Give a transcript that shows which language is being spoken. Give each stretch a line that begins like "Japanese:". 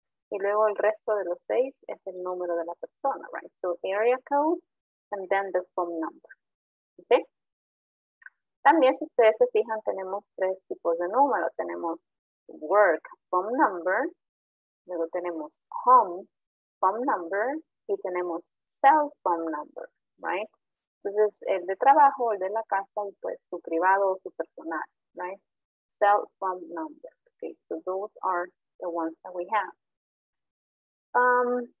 Spanish: Y luego el resto de los seis es el número de la persona, right?
English: So area code, and then the phone number, okay?
Spanish: También, si ustedes se fijan, tenemos tres tipos de número. Tenemos work, phone number, luego tenemos home, phone number, y tenemos cell phone number, right? Entonces, el de trabajo, el de la casa, pues su privado o su personal, right?
English: Cell phone number, okay? So those are the ones that we have.